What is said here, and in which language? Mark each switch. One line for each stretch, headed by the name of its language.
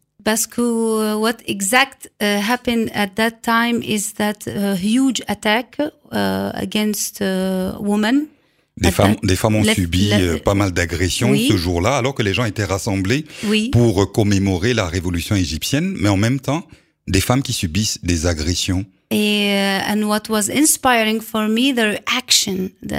French: Parce que
English: what exact happened at that time is that huge attack against women.
French: Des femmes ont subi pas mal d'agressions ce jour-là, alors que les gens étaient rassemblés pour commémorer la révolution égyptienne, mais en même temps, des femmes qui subissent des agressions.
English: And what was inspiring for me, the reaction.